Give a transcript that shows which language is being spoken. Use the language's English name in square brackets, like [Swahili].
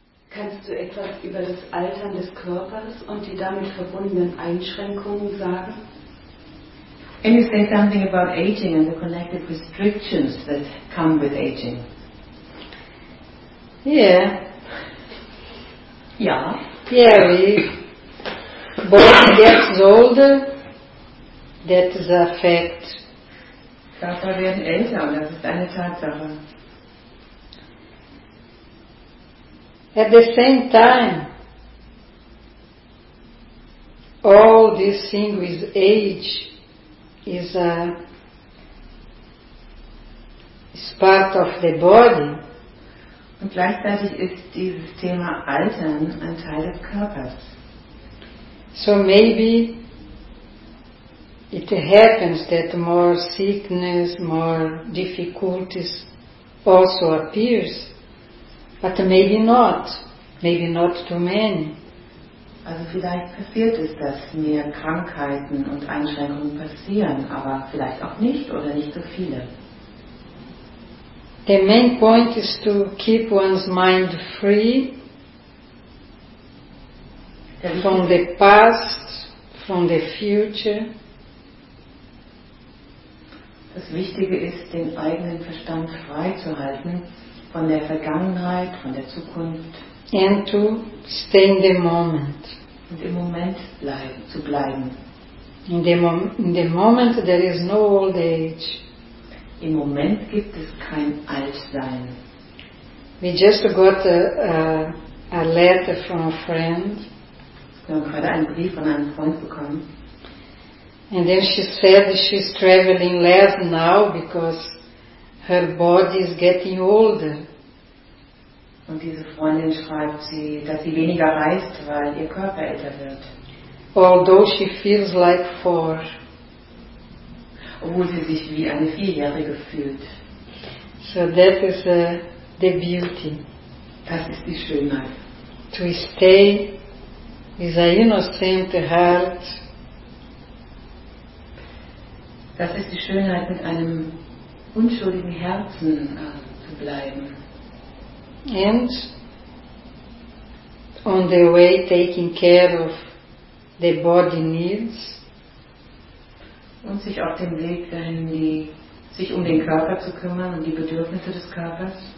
[German] Kannst du etwas über das Altern des Körpers und die damit verbundenen Einschränkungen sagen? [English] Can you say something about aging and the connected restrictions that come with aging? We both get older, that is a fact. [German] Körper werden älter, das ist eine Tatsache. [English] At the same time, all this thing with age is part of the body. [German] Und gleichzeitig ist dieses Thema Altern ein Teil des Körpers. [English] So maybe it happens that more sickness, more difficulties also appears, but maybe not. Maybe not too many. [German] Also vielleicht passiert es, dass mehr Krankheiten und Einschränkungen passieren, aber vielleicht auch nicht oder nicht so viele. [English] The main point is to keep one's mind free from the past, from the future. [German] Das Wichtige ist, den eigenen Verstand frei zu halten von der Vergangenheit, von der Zukunft. [English] And to stay in the moment. [German] Und im Moment zu bleiben. [English] In the moment there is no old age. [German] Im Moment gibt es kein Altsein. [English] We just got a letter from a friend. [German] Wir haben gerade einen Brief von einem Freund bekommen. [English] And then she said she's traveling less now because her body is getting older. [German] Und diese Freundin schreibt sie, dass sie weniger reist, weil ihr Körper älter wird. [English] Although she feels like 4. [German] Obwohl sie sich wie eine 4-Jährige fühlt. [English] So that is the beauty. [German] Das ist die Schönheit. [English] To stay with an innocent heart. [German] Das ist die Schönheit, mit einem unschuldigen Herzen zu bleiben. [English] And on the way taking care of the body needs. [German] Und sich auf dem Weg dahin, sich um den Körper zu kümmern und die Bedürfnisse des Körpers.